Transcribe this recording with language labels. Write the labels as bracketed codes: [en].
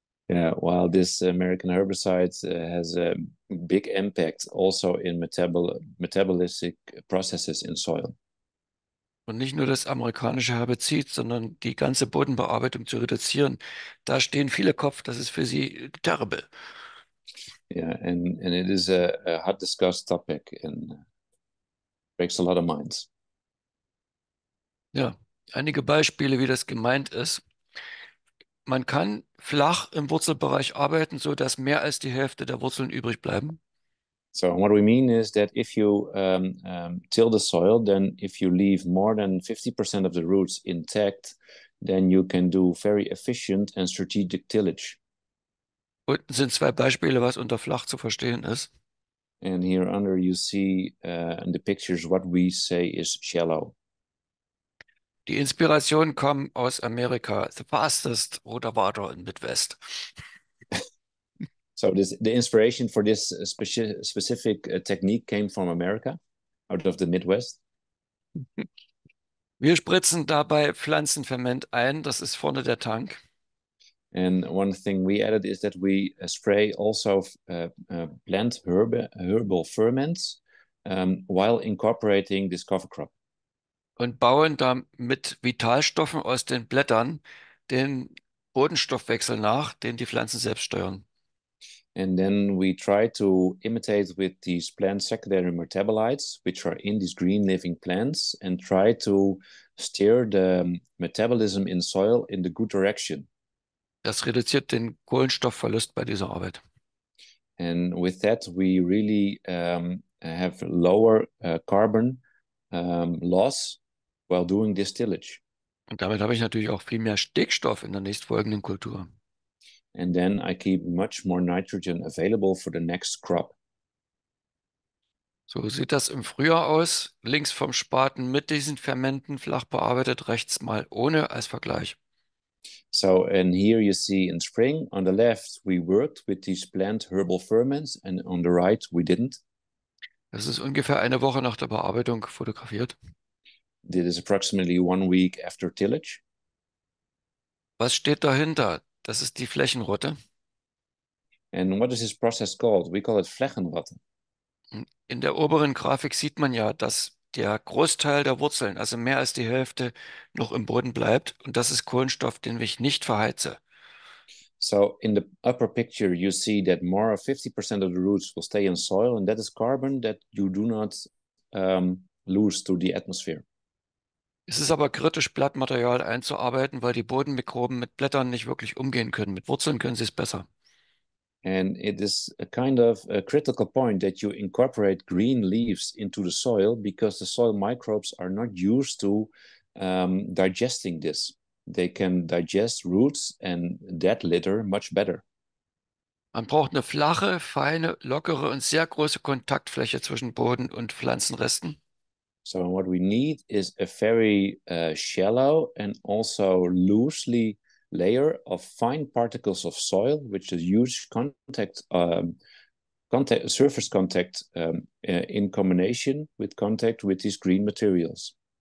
[en] Yeah, while this American herbicide has a big impact also in metabolistic processes in soil. [de] Und nicht nur das amerikanische Herbizid, sondern die ganze Bodenbearbeitung zu reduzieren, da stehen viele Kopf, das ist für sie terrible. [en] Yeah, and it is a hot discussed topic and breaks a lot of minds. [de] Ja, einige Beispiele, wie das gemeint ist. Man kann flach im Wurzelbereich arbeiten, so dass mehr als die Hälfte der Wurzeln übrig bleiben. [en] So what we mean is that if you till the soil, then if you leave more than 50% of the roots intact, then you can do very efficient and strategic tillage. [de] Unten sind zwei Beispiele, was unter flach zu verstehen ist. [en] And here under you see in the pictures what we say is shallow. [de] Die Inspiration kam aus Amerika, [en] the fastest Roter Water in Midwest. So this, the inspiration for this specific technique came from America, out of the Midwest. [de] Wir spritzen dabei Pflanzenferment ein, das ist vorne der Tank. [en] And one thing we added is that we spray also plant herbal ferments while incorporating this cover crop. [de] Und bauen dann mit Vitalstoffen aus den Blättern den Bodenstoffwechsel nach, den die Pflanzen selbst steuern. [en] And then we try to imitate with these plant secondary metabolites, which are in these green living plants, and try to steer the metabolism in soil in the good direction. [de] Das reduziert den Kohlenstoffverlust bei dieser Arbeit. [en] And with that, we really have lower carbon loss while doing this tillage. [de] Und damit habe ich natürlich auch viel mehr Stickstoff in der nächstfolgenden Kultur. [en] And then I keep much more nitrogen available for the next crop. [de] So sieht das im Frühjahr aus. Links vom Spaten mit diesen Fermenten flach bearbeitet, rechts mal ohne als Vergleich. [en] So, and here you see in spring, on the left we worked with these plant herbal ferments and on the right we didn't. [de] Das ist ungefähr eine Woche nach der Bearbeitung fotografiert. [en] This is approximately 1 week after tillage. [de] Was steht dahinter? Das ist die Flächenrotte. [en] And what is this process called? We call it Flächenrotte. [de] In der oberen Grafik sieht man ja, dass der Großteil der Wurzeln, also mehr als die Hälfte, noch im Boden bleibt. Und das ist Kohlenstoff, den ich nicht verheize. [en] So in the upper picture you see that more than 50% of the roots will stay in soil and that is carbon that you do not lose to the atmosphere. [de] Es ist aber kritisch, Blattmaterial einzuarbeiten, weil die Bodenmikroben mit Blättern nicht wirklich umgehen können. Mit Wurzeln können sie es besser. [en] And it is a kind of a critical point that you incorporate green leaves into the soil because the soil microbes are not used to digesting this. They can digest roots and dead litter much better. [de] Man braucht eine flache, feine, lockere und sehr große Kontaktfläche zwischen Boden und Pflanzenresten. [en] So what we need is a very shallow and also loosely layer of fine particles of soil, which is huge surface contact in combination with contact with these green materials.